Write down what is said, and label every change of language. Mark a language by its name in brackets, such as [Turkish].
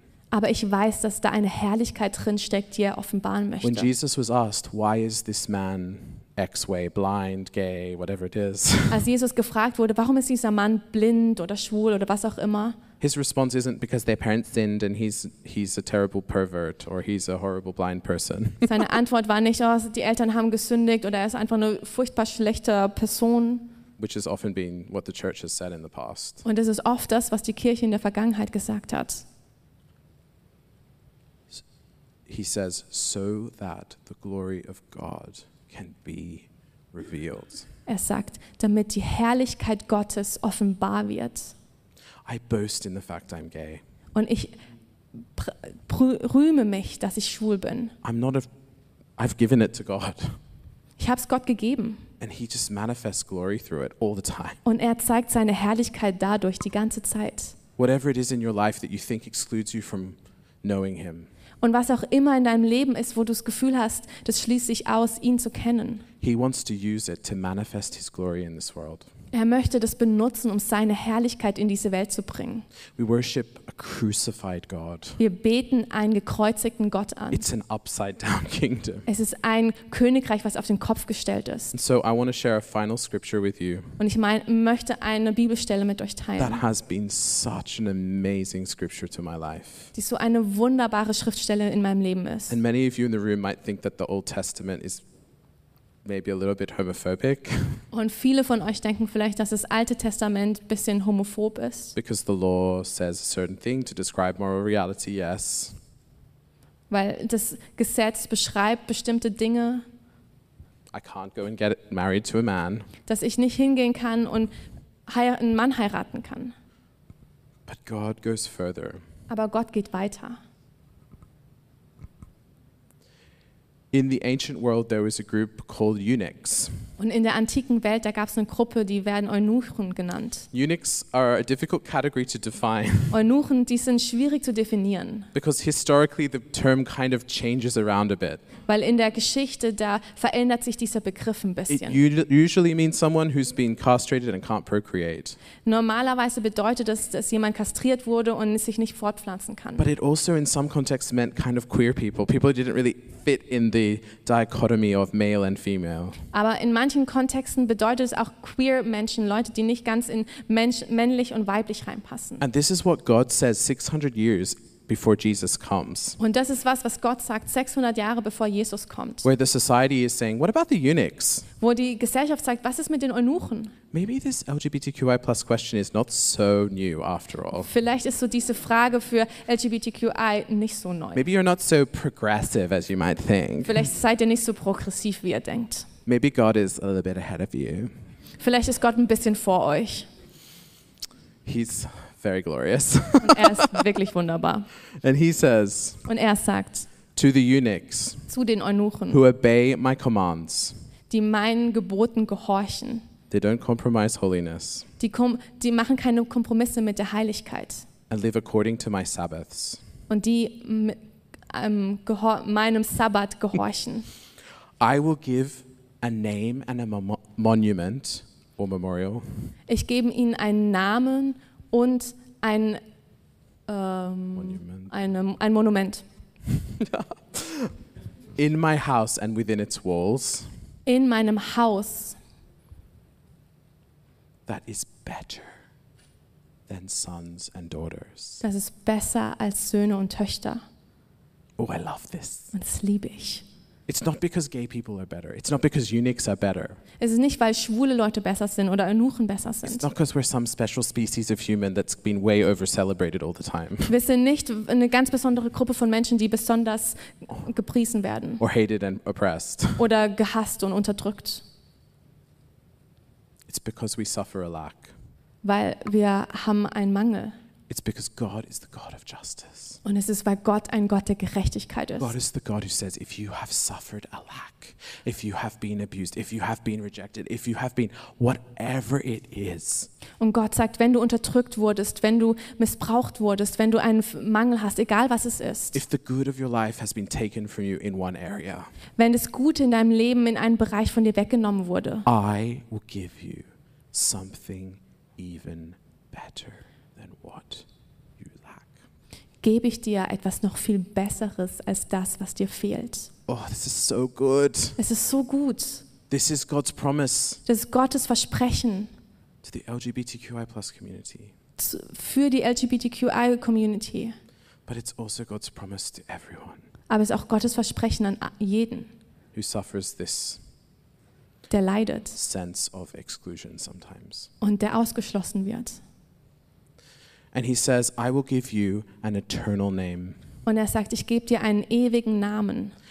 [German] Aber ich weiß, dass da eine Herrlichkeit drin steckt, die er offenbaren möchte. [English] When Jesus was asked, why is this man X-way, blind, gay, whatever it is. [German] Als Jesus gefragt wurde, warum ist dieser Mann blind oder schwul oder was auch immer? [English] His response isn't because their parents sinned and he's a terrible pervert or he's a horrible blind person. [German] Seine Antwort war nicht, oh, die Eltern haben gesündigt oder er ist einfach eine furchtbar schlechte Person. [English] Which has often been what the church has said in the past. [German] Und es ist oft das, was die Kirche in der Vergangenheit gesagt hat. [English] He says, so that the glory of God can be revealed. [German] Er sagt, damit die Herrlichkeit Gottes offenbar wird. [English] I boast in the fact I'm gay. [German] Und ich rühme mich, dass ich schwul bin. [English] I've given it to God. [German] Ich habe es Gott gegeben. [English] And he just manifests glory through it all the time. [German] Und er zeigt seine Herrlichkeit dadurch die ganze Zeit. [English] Whatever it is in your life that you think excludes you from knowing him. [German] Und was auch immer in deinem Leben ist, wo du das Gefühl hast, das schließt sich aus, ihn zu kennen. [English] He wants to use it to manifest his glory in this world. [German] Er möchte das benutzen, um seine Herrlichkeit in diese Welt zu bringen. [English] We worship a crucified God. [German] Wir beten einen gekreuzigten Gott an. [English] It's an upside down kingdom. [German] Es ist ein Königreich, was auf den Kopf gestellt ist. [English] And so I want to share a final scripture with you. [German] Und ich möchte eine Bibelstelle mit euch teilen. [English] That has been such an amazing scripture to my life. [German] Die so eine wunderbare Schriftstelle in meinem Leben ist. [English] And many of you in the room might think that the Old Testament is maybe a little bit homophobic. [German] Und viele von euch denken vielleicht, dass das Alte Testament ein bisschen homophob ist. [English] Because the law says a certain thing to describe moral reality, yes. [German] Weil das Gesetz beschreibt bestimmte Dinge. [English] I can't go and get married to a man. [German] Dass ich nicht hingehen kann und einen Mann heiraten kann. [English] But God goes further. [German] Aber Gott geht weiter. [English] In the ancient world there was a group called eunuchs. [German] Und in der antiken Welt da gab's eine Gruppe, die werden Eunuchen genannt. [English] Eunuchs are a difficult category to define. [German] Eunuchen, die sind schwierig zu definieren. [English] Because historically the term kind of changes around a bit. [German] Weil in der Geschichte da verändert sich dieser Begriff ein bisschen. [English] It usually means someone who's been castrated and can't procreate. [German] Normalerweise bedeutet das, dass jemand kastriert wurde und sich nicht fortpflanzen kann. [English] But it also in some contexts meant kind of queer people, people who didn't really fit in the dichotomy of male and female. [German] Aber in manchen Kontexten bedeutet es auch queer Menschen, Leute, die nicht ganz in Mensch, männlich und weiblich reinpassen. [English] And this is what God says 600 years before Jesus comes. [German] Und das ist was Gott sagt 600 Jahre bevor Jesus kommt. [English] Where the society is saying, what about the eunuchs? [German] Wo die Gesellschaft sagt, was ist mit den Eunuchen? [English] Maybe this LGBTQI+ question is not so new after all. [German] Vielleicht ist so diese Frage für LGBTQI nicht so neu. [English] Maybe you're not so progressive as you might think. [German] Vielleicht seid ihr nicht so progressiv wie ihr denkt. [English] Maybe God is a little bit ahead of you. [German] Vielleicht ist Gott ein bisschen vor euch. [English] He's very glorious. [German] Und er ist wirklich wunderbar. [English] And he says, [German] und er sagt, [English] to the eunuchs, [German] zu den Eunuchen, [English] who obey my commands, [German] die meinen Geboten gehorchen, [English] they don't compromise holiness, [German] die machen keine Kompromisse mit der Heiligkeit, [English] and live according to my Sabbaths, [German] und die meinem Sabbat gehorchen. [English] I will give a name and a monument or memorial. [German] Ich gebe ihnen einen Namen und ein Monument. [English] In my house and within its walls. [German] In meinem Haus. [English] That is better than sons and daughters. [German] Das ist besser als Söhne und Töchter. [English] Oh, I love this. [German] Und das liebe ich. [English] It's not because gay people are better. It's not because eunuchs are better. [German] Es ist nicht, weil schwule Leute besser sind oder Eunuchen besser sind. [English] It's not because we're some special species of human that's been way over celebrated all the time. [German] Wir sind nicht eine ganz besondere Gruppe von Menschen, die besonders gepriesen werden. [English] Or hated and oppressed. [German] Oder gehasst und unterdrückt. [English] It's because we suffer a lack. [German] Weil wir haben einen Mangel. [English] It's because God is the God of justice. [German] Und es ist, weil Gott ein Gott der Gerechtigkeit ist. [English] God is the God who says, if you have suffered a lack, if you have been abused, if you have been rejected, if you have been whatever it is. [German] Und Gott sagt, wenn du unterdrückt wurdest, wenn du missbraucht wurdest, wenn du einen Mangel hast, egal was es ist. [English] If the good of your life has been taken from you in one area. [German] Wenn das Gute in deinem Leben in einem Bereich von dir weggenommen wurde. [English] I will give you something even better. What you lack. [German] Gebe ich dir etwas noch viel Besseres als das, was dir fehlt. [English] Oh, this is so good. [German] Es ist so gut. [English] This is God's promise. [German] Das ist Gottes Versprechen. [English] To the LGBTQI+ community. [German] Für die LGBTQI community. [English] But it's also God's promise to everyone. [German] Aber es ist auch Gottes Versprechen an jeden. [English] Who suffers this. [German] Der leidet. [English] Sense of exclusion sometimes. [German] Und der ausgeschlossen wird. [English] And he says, I will give you an eternal name. [German] Und er sagt, ich gebe dir einen ewigen Namen.